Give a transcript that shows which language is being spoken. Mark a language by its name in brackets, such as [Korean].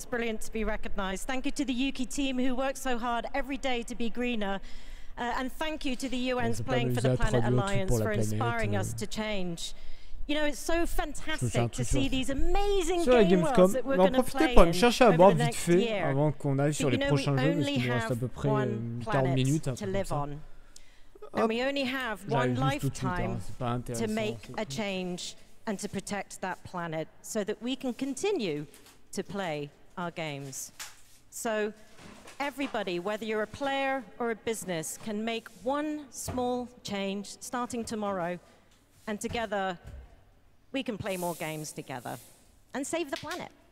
[English] It's brilliant to be recognized. Thank you to the Yuki team who work so hard every day to be greener. And thank you to the UN's Playing for the Planet Alliance for inspiring us to change. You know, it's so fantastic to see these amazing games that we're going to play in over the next year. [French] Avant vite fait, avant qu'on aille sur les prochains jeux, parce qu'il nous reste à peu près 40 minutes. [English] And we only have one lifetime to make a change and to protect that planet so that we can continue to play our games. So everybody, whether you're a player or a business, can make one small change starting tomorrow, and together we can play more games together and save the planet.